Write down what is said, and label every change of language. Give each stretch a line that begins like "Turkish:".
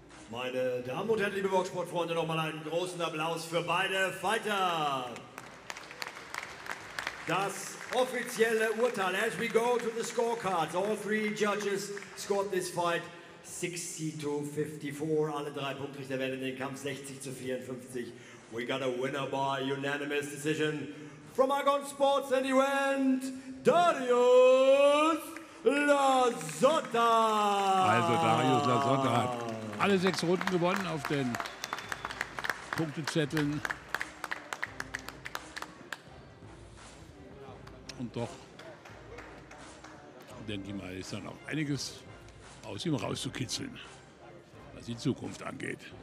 German: Meine Damen und Herren, liebe Boxsportfreunde, nochmal einen großen Applaus für beide Fighter. Das offizielle Urteil,
English: as we go to the scorecards, all three judges scored this fight 60-54.
German: Alle drei Punktrichter werden in den Kampf 60-54.
English: We got a winner by unanimous decision. From Argon Sports, and he went, Darius Lasota.
German: Also Darius Lasota hat alle sechs Runden gewonnen auf den Punktezetteln. Und doch, denke ich mal, ist dann auch einiges aus ihm rauszukitzeln, was die Zukunft angeht.